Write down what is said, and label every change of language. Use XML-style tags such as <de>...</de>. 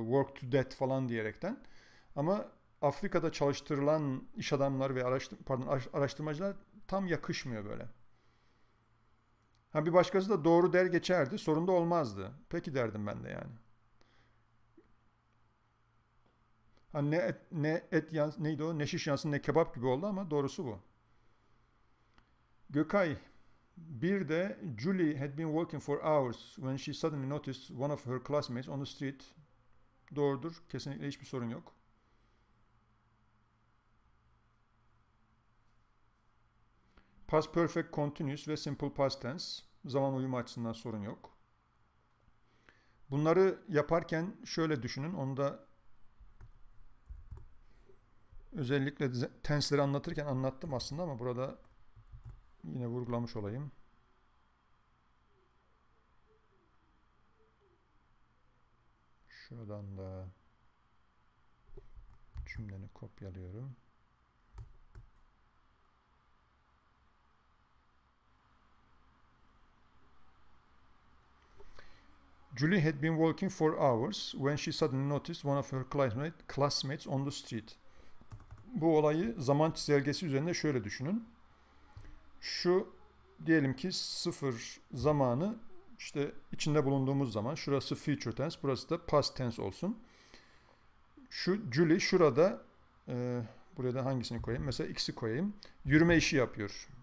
<en>Work to death</en> <tr>falan diyerekten. Ama Afrika'da çalıştırılan iş adamları ve araştırmacılar tam yakışmıyor böyle. Ha bir başkası da doğru der geçerdi. Sorun da olmazdı. Peki derdim ben de yani. Ha neydi o? Ne şiş yansın ne kebap gibi oldu ama doğrusu bu.</tr> <en>Gökay,</en> <tr>bir de</tr> <en>Julie had been walking for hours when she suddenly noticed one of her classmates on the street.</en> <tr>Doğrudur. Kesinlikle hiçbir sorun yok. Past perfect continuous ve simple past tense. Zaman uyumu açısından sorun yok. Bunları yaparken şöyle düşünün. Onu da özellikle tense'leri anlatırken anlattım aslında ama burada yine vurgulamış olayım. Şuradan da cümleni kopyalıyorum.</tr> <en>Julie had been walking for hours when she suddenly noticed one of her classmates on the street.</en> <tr>Bu olayı zaman çizelgesi üzerinde şöyle düşünün. Şu diyelim ki sıfır zamanı işte içinde bulunduğumuz zaman şurası future tense, burası da past tense olsun. Şu Julie şurada buraya da hangisini koyayım? Mesela X'i koyayım. Yürüme işi yapıyor.</tr>